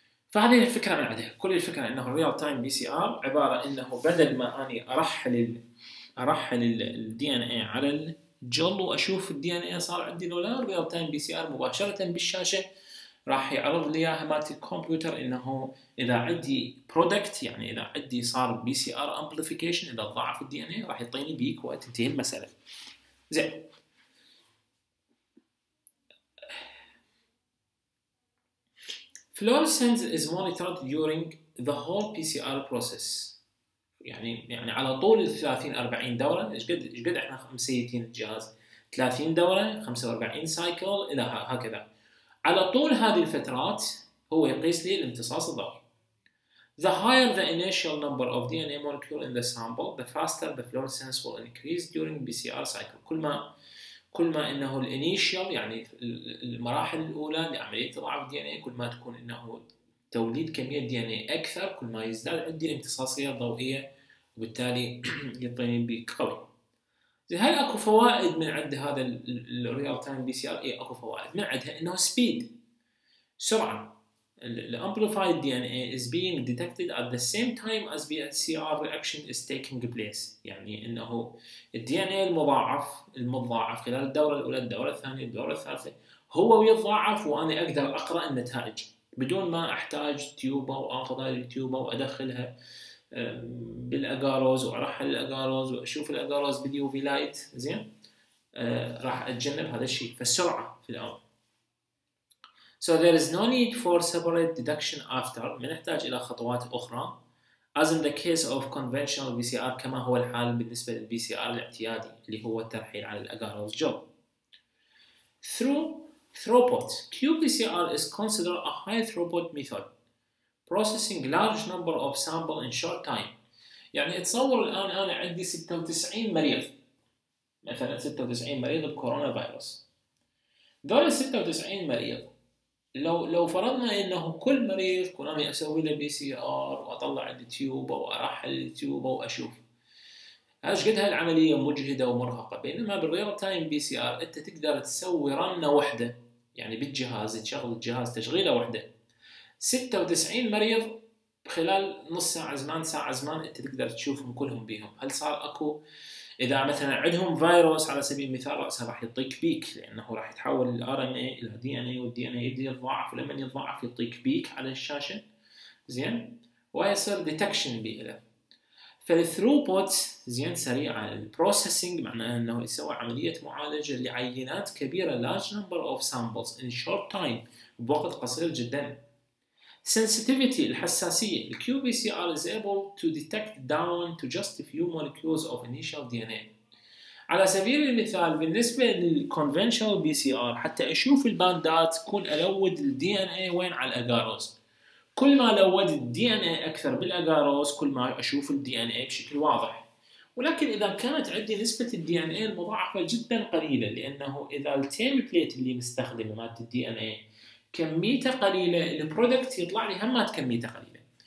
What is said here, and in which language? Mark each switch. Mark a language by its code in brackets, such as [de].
[ar] فهذه الفكره من عنده، كل الفكره انه الريال تايم بي سي ار عباره انه بدل ما اني ارحل الدي ان اي على الجل واشوف الدي ان اي صار عندي ولا، الريال تايم بي سي ار مباشره بالشاشه راح يعرض لي اياها مالت الكمبيوتر انه اذا عندي برودكت، يعني اذا عندي صار بي سي ار امبليفيكيشن، اذا ضعف الدي ان اي راح يعطيني بيك وتنتهي المساله. [en] زين، fluorescence is monitored during the whole PCR process. [ar] يعني على طول ال 30 40 دورة، ايش قد احنا مسيتين الجهاز؟ 30 دورة، 45 سايكل، الى هكذا. على طول هذه الفترات هو يقيس لي الامتصاص الضوئي. [en] The higher the initial number of DNA molecule in the sample, the faster the fluorescence will increase during PCR cycle. [ar] كل ما انه الانيشال، يعني المراحل الاولى لعمليه ضعف الدي ان اي، كل ما تكون انه توليد كميه دي ان اي اكثر، كل ما يزداد عندي الامتصاصيه الضوئيه، وبالتالي يعطيني بيك قوي. هل اكو فوائد من عند هذا الريال تايم بي سي ار؟ اي اكو فوائد من عندها، انه سبيد، سرعه. [en] الامبليفايد D N A is being detected at the same time as P C R reaction is taking place. [ar] يعني انه الدي ان اي المضاعف خلال الدوره الاولى، الدوره الثانيه، الدوره الثالثه، هو بيتضاعف وانا اقدر اقرا النتائج بدون ما احتاج تيوبا واخذ هذه التيوبا وادخلها بالاجاروز وارحل الاجاروز واشوف الاجاروز باليو في لايت، زين. راح اتجنب هذا الشيء. فالسرعه في الاول. [en] So there is no need for separate deduction after. [ar] ما نحتاج إلى خطوات أخرى. [en] As in the case of conventional PCR, [ar] كما هو الحال بالنسبة للـ PCR الاعتيادي اللي هو الترحيل على الأجاروز جوب. [en] Through throughput, qPCR is considered a high throughput method, processing large number of sample in short time. [ar] يعني اتصور الآن أنا عندي 96 مريض، مثلا 96 مريض بكورونا فيروس. دول 96 مريض، لو فرضنا انه كل مريض كنا اسوي له بي سي ار واطلع التيوب وارحل التيوب واشوف، ايش قد هالعمليه مجهده ومرهقه. بينما بالريال تايم بي سي ار انت تقدر تسوي رنه واحده، يعني بالجهاز تشغل الجهاز تشغيله واحده، 96 مريض خلال نص ساعه زمان، ساعه زمان، انت تقدر تشوفهم كلهم بيهم. هل صار اكو، اذا مثلا عندهم فيروس على سبيل المثال، راسه راح يعطيك بيك، لانه راح يتحول الار ان اي الى دي ان اي، والدي ان اي يبدا يتضاعف، ولما يتضاعف يعطيك بيك على الشاشه، زين، ويصير ديتكشن بيه. فالثرو بوت، زين، سريعه. البروسيسنج معناه انه يسوي عمليه معالجه لعينات كبيره، [en] large number of samples in short time, [ar] بوقت قصير جدا. [en] Sensitivity, الحساسية. The qPCR is able to detect down to just a few molecules of initial DNA. [ar] على سبيل المثال بالنسبة للconventional PCR حتى أشوف الباندات كون ألود الـ DNA وين على الأجاروز. كل ما لود الـ DNA أكثر بالأجاروز كل ما أشوف الـ DNA بشكل واضح. ولكن إذا كانت عندي نسبة الـ DNA المضاعفة جدا قليلة، لأنه إذا الـ template اللي مستخدمه مادة الـ DNA كميته قليلة، البرودكت يطلع لي همات كميته قليلة.